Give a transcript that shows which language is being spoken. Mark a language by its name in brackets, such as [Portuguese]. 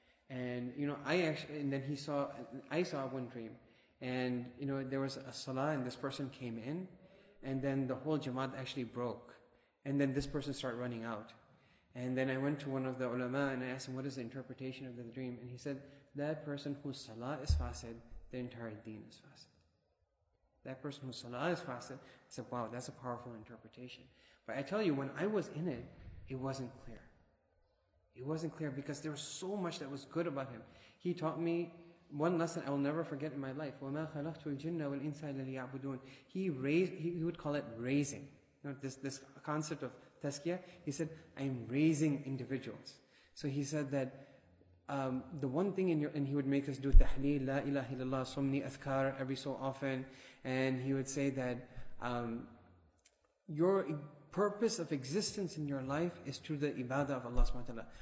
[English] And you know, I saw one dream, and you know, there was a salah, and this person came in, and then the whole jamaat actually broke, and then this person started running out, and then I went to one of the ulama and I asked him what is the interpretation of the dream, and he said that person whose salah is fasid, the entire deen is fasid. That person whose salah is fasid, I said, wow, that's a powerful interpretation. But I tell you, when I was in it, it wasn't clear. It wasn't clear because there was so much that was good about him. He taught me one lesson I will never forget in my life. [Arabic] وَمَا خَلَقْتُ الْجِنَّ وَالْإِنسَ إِلَّا لِيَعْبُدُونَ [English] He would call it raising. You know, this concept of tazkiyah, he said, I'm raising individuals. So he said that, the one thing in your, and he would make us do tahleel, la ilaha illallah, so many azkar every so often, and he would say that your purpose of existence in your life is through the ibadah of Allah subhanahu wa ta'ala.